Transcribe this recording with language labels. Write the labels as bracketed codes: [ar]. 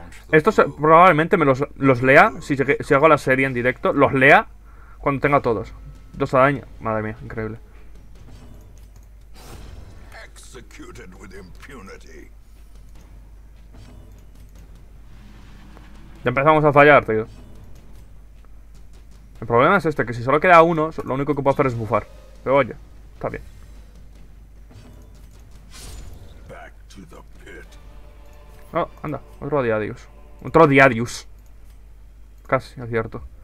[es] Estos probablemente me los lea, si hago la serie en directo, los lea cuando tenga todos. Dos a daño. Madre mía, increíble. [en] Executed with impunity. [es] Ya empezamos a fallar, tío. El problema es este, que si solo queda uno, lo único que puedo hacer es bufar. Pero oye, está bien. [en] Back to the pit. [es] Oh, anda, otro diadius. Casi, acierto.